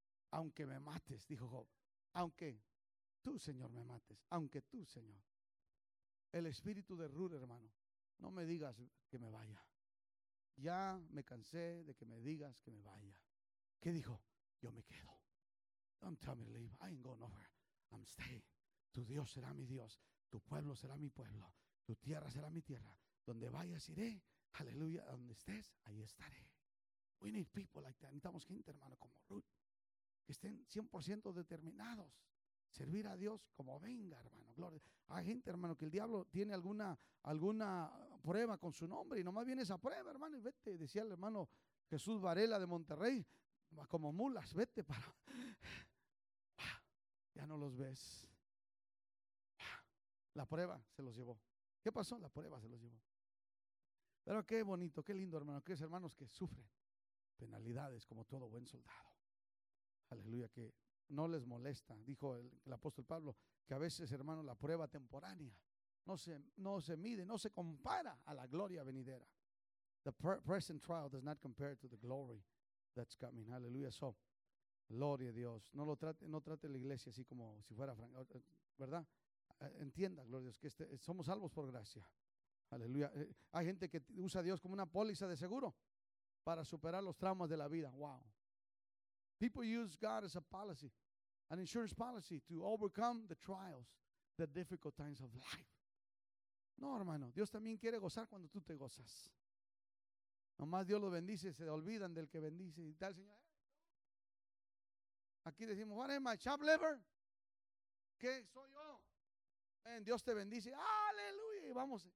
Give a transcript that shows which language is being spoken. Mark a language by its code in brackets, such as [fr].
[es] Aunque me mates, dijo Job. Aunque tú, Señor, me mates. Aunque tú, Señor. El espíritu de Rur, hermano. No me digas que me vaya. Ya me cansé de que me digas que me vaya. ¿Qué dijo? Yo me quedo. [en] Don't tell me to leave. I ain't going nowhere. I'm staying. [es] Tu Dios será mi Dios. Tu pueblo será mi pueblo. Tu tierra será mi tierra. Donde vayas iré. Aleluya. Donde estés, ahí estaré. [en] We need people like that. [es] Necesitamos gente, hermano, como Ruth. Que estén 100% determinados. Servir a Dios como venga, hermano. Gloria. Hay gente, hermano, que el diablo tiene alguna prueba con su nombre y nomás viene esa prueba, hermano, y vete. Decía el hermano Jesús Varela de Monterrey, como mulas, vete para. Ya no los ves. La prueba se los llevó. ¿Qué pasó? La prueba se los llevó. Pero qué bonito, qué lindo, hermano. Que es, hermanos, que sufren penalidades como todo buen soldado. Aleluya, que no les molesta, dijo el apóstol Pablo, que a veces, hermano, la prueba temporánea no se mide, no se compara a la gloria venidera. [en] The present trial does not compare to the glory that's coming. [es] Aleluya, so, gloria a Dios. No trate la iglesia así como si fuera, ¿verdad? Entienda, gloria a Dios, que somos salvos por gracia. Aleluya. Hay gente que usa a Dios como una póliza de seguro para superar los traumas de la vida. [en] Wow. People use God as a policy, an insurance policy to overcome the trials, the difficult times of life. [es] No, hermano, Dios también quiere gozar cuando tú te gozas. Nomás Dios lo bendice, se olvidan del que bendice. Y tal, Señor. Aquí decimos, [en] what am I, chop liver? [es] ¿Qué soy yo? En Dios te bendice, aleluya, y vamos.